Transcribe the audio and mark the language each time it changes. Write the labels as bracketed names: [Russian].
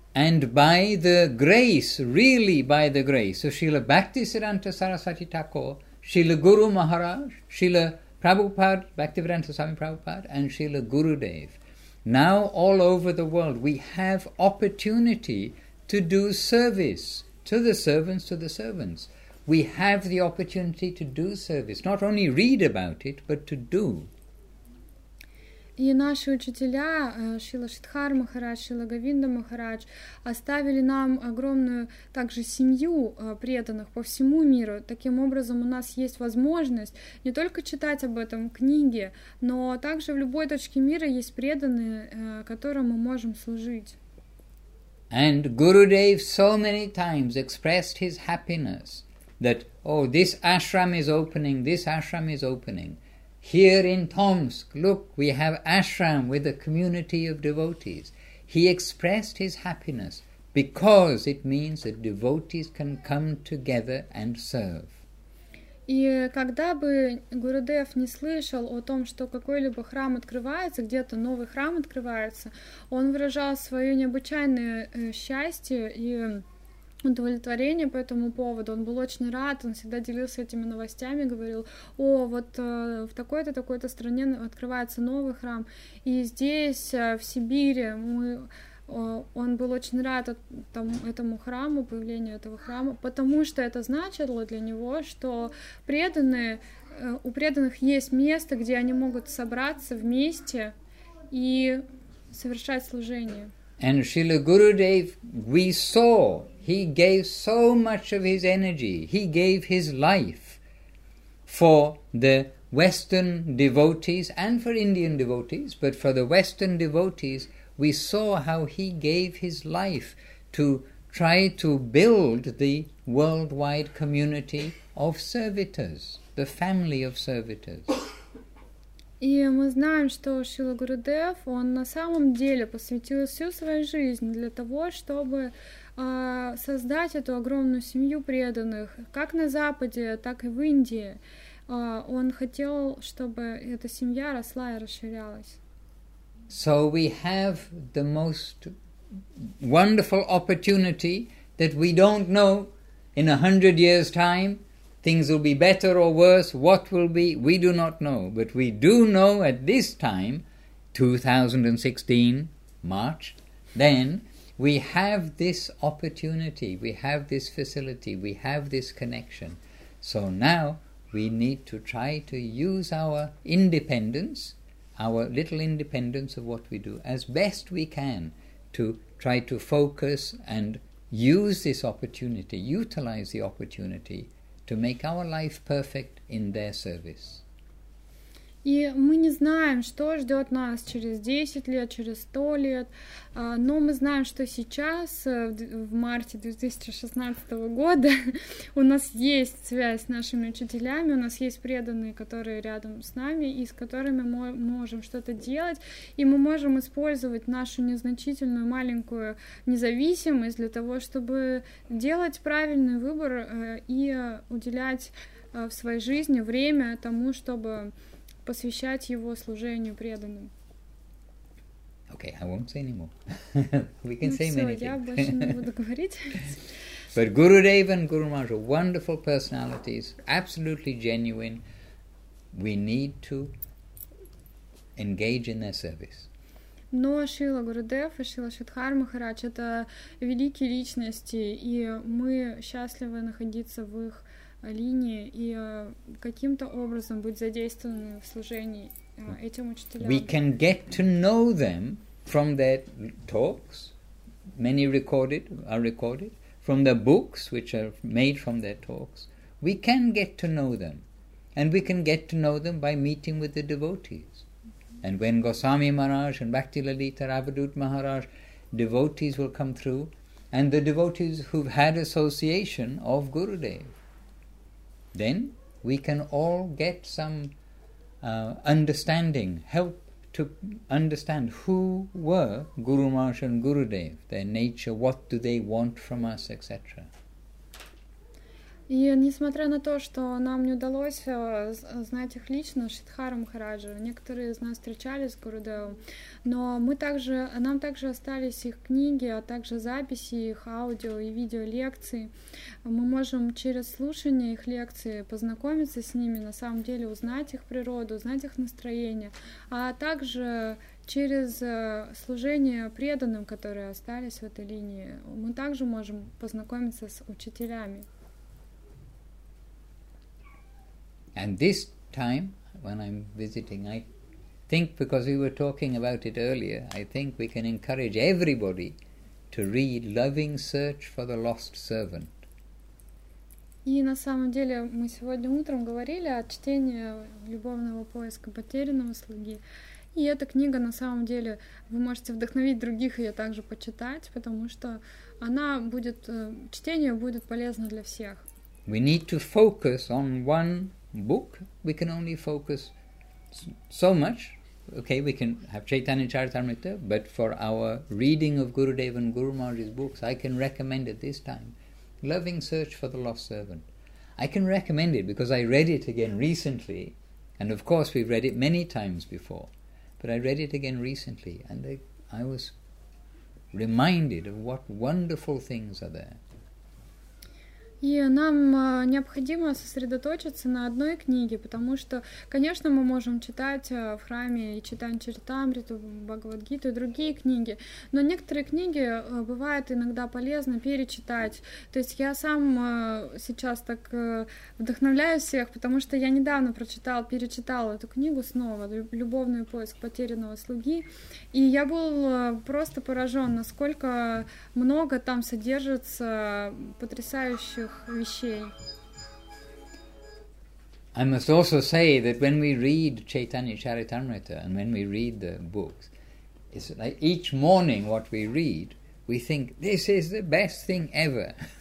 [English] And by the grace, really by the grace of Srila Bhaktisiddhanta Sarasvati Thakur, Srila Guru Maharaj, Srila Prabhupada, Bhaktivedanta Swami Prabhupada, and Srila Gurudev, now all over the world we have opportunity to do service to the servants, to the servants. We have the opportunity to do service, not only read about it, but to do. [Russian] И наши учителя, Шрила Шридхар Махарадж, Шрила Говинда Махарадж, оставили нам огромную также семью преданных по всему миру. Таким образом, у нас есть возможность не только читать об этом книге, но также в любой точке мира есть преданные, которым мы можем служить. [English] And Gurudev so many times expressed his happiness that, oh, this ashram is opening, this ashram is opening. Here in Tomsk, look, we have ashram with a community of devotees. He expressed his happiness because it means that devotees can come together and serve. [Russian] И когда бы Гурудев не слышал о том, что какой-либо храм открывается, где-то новый храм открывается, он выражал свое необычайное счастье и удовлетворение по этому поводу. Он был очень рад, он всегда делился этими новостями, говорил, о, вот в такой-то, такой-то стране открывается новый храм, и здесь, в Сибири, он был очень рад этому храму, появлению этого храма, потому что это значило для него, что преданные, у преданных есть место, где они могут собраться вместе и совершать служение. [English] And Srila Gurudev, we saw, he gave so much of his energy, he gave his life for the Western devotees and for Indian devotees, but for the Western devotees, we saw how he gave his life to try to build the worldwide community of servitors, the family of servitors. [Russian] И мы знаем, что Шрила Гурудев, он на самом деле посвятил всю свою жизнь для того, чтобы создать эту огромную семью преданных, как на Западе, так и в Индии. Он хотел, чтобы эта семья росла и расширялась. [English] So we have the most wonderful opportunity that we don't know in 100 years' time. Things will be better or worse, what will be, we do not know. But we do know at this time, 2016, March, then we have this opportunity, we have this facility, we have this connection. So now we need to try to use our independence, our little independence of what we do, as best we can to try to focus and use this opportunity, utilize the opportunity to make our life perfect in their service. [Russian] И мы не знаем, что ждет нас через 10 лет, через 100 лет, но мы знаем, что сейчас, в марте 2016 года, у нас есть связь с нашими учителями, у нас есть преданные, которые рядом с нами, и с которыми мы можем что-то делать, и мы можем использовать нашу незначительную маленькую независимость для того, чтобы делать правильный выбор и уделять в своей жизни время тому, чтобы посвящать его служению преданным. [English] Okay, I won't say anymore. We can say many things. [Russian] Я больше не буду говорить. [English] But Gurudev and Guru Maharaj are wonderful personalities, absolutely genuine. we need to engage in their service. [Russian] Но Шрила Гурудев и Шрила Шридхар Махарадж — это великие личности, и мы счастливы находиться в их линии и каким-то образом быть задействованы в служении этим учителям. [English] We can get to know them from their talks, many recorded, are recorded, from their books, which are made from their talks. We can get to know them, and we can get to know them by meeting with the devotees. And when Goswami Maharaj and Bhakti Lalita Ravadut Maharaj, devotees will come through, and the devotees who've had association of Gurudev, then we can all get some understanding, help to understand who were Guru Maharaj and Gurudev, their nature, what do they want from us, etc. [Russian] И несмотря на то, что нам не удалось знать их лично, Шридхара Махараджа, некоторые из нас встречались с Гурудевом, но нам также остались их книги, а также записи их аудио и видео лекций. Мы можем через слушание их лекции познакомиться с ними, на самом деле узнать их природу, узнать их настроение, а также через служение преданным, которые остались в этой линии, мы также можем познакомиться с учителями. [English] And this time, when I'm visiting, I think, because we were talking about it earlier, I think we can encourage everybody to read Loving Search for the Lost Servant. [Russian] И на самом деле мы сегодня утром говорили о чтении любовного поиска потерянного слуги. И эта книга, на самом деле, вы можете вдохновить других ее также почитать, потому что она будет, чтение будет полезно для всех. [English] We need to focus on one book, we can only focus so much. Okay, we can have Chaitanya Charitamrita, but for our reading of Gurudev and Guru Maharaj's books, I can recommend it this time. Loving Search for the Lost Servant. I can recommend it because I read it again recently, and of course we've read it many times before, but I read it again recently, and I was reminded of what wonderful things are there. [Russian] И нам необходимо сосредоточиться на одной книге, потому что, конечно, мы можем читать в храме и читать Чаритамриту, Бхагавадгиту и другие книги, но некоторые книги бывает иногда полезно перечитать. То есть я сам сейчас так вдохновляю всех, потому что я недавно перечитала эту книгу снова, «Любовный поиск потерянного слуги», и я был просто поражен, насколько много там содержится потрясающих вещей. [English] I must also say that when we read Chaitanya Charitamrita and when we read the books, it's like each morning what we read, we think, this is the best thing ever.